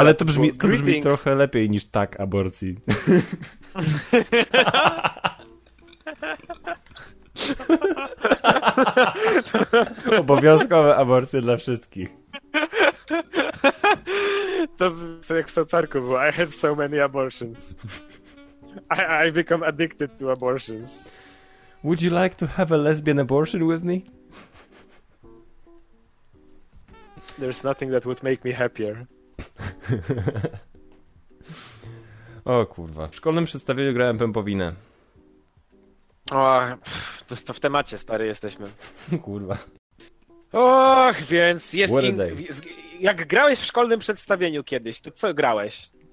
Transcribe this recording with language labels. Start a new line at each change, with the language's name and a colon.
Polish: Ale to brzmi trochę lepiej niż tak aborcji. Obowiązkowe aborcje dla wszystkich. To jak w South Parku było.
English: I have so many abortions. I become addicted to abortions. Would you like to have a lesbian abortion with me? There's nothing that would make me happier.
Polish: O kurwa, w szkolnym przedstawieniu grałem pępowinę. O, to w temacie, stary, jesteśmy. Kurwa. Och, więc jest... Jak grałeś w szkolnym przedstawieniu kiedyś, to co grałeś?